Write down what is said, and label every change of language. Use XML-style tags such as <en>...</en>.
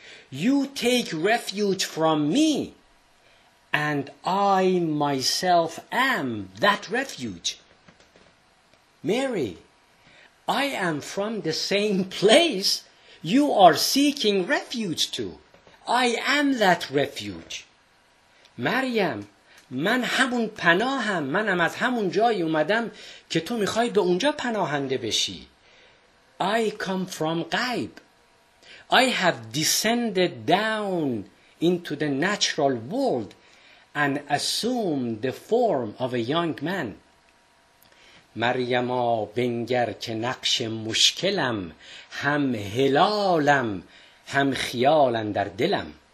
<en>You take refuge from me, and I myself am that refuge. Mary, I am from the same place you are seeking refuge to. I am that refuge.</en> <fa>Maryam, من همون پناهم، منم از همون جایی اومدم که تو میخوای به اونجا پناهنده بشی.</fa> <en>I come from غیب. I have descended down into the natural world and assumed the form of a young man.</en> <fa>مریما بنگر که نقش مشکلم، هم هلالم، هم خیالم در دلم.</fa>